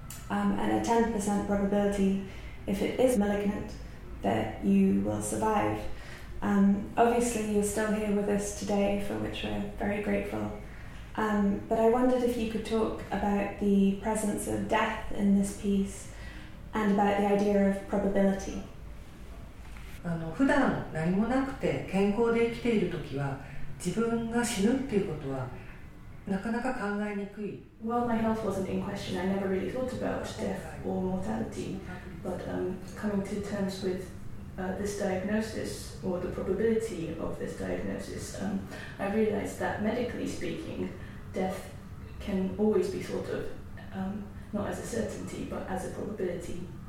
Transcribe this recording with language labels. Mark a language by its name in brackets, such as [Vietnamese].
[English] And a 10% probability, if it is malignant, that you will survive. Obviously, you're still here with us today, for which we're very grateful. But I wondered if you could talk about the presence of death in this piece and about the idea of probability. [Japanese] 普段何もなくて健康で生きているときは自分が死ぬっていうことはなかなか考えにくい。 [English] Well, my health wasn't in question. I never really thought about death or mortality. But coming to terms with this diagnosis or the probability of this diagnosis, I realized that medically speaking, death can always be thought of not as a certainty but as a probability.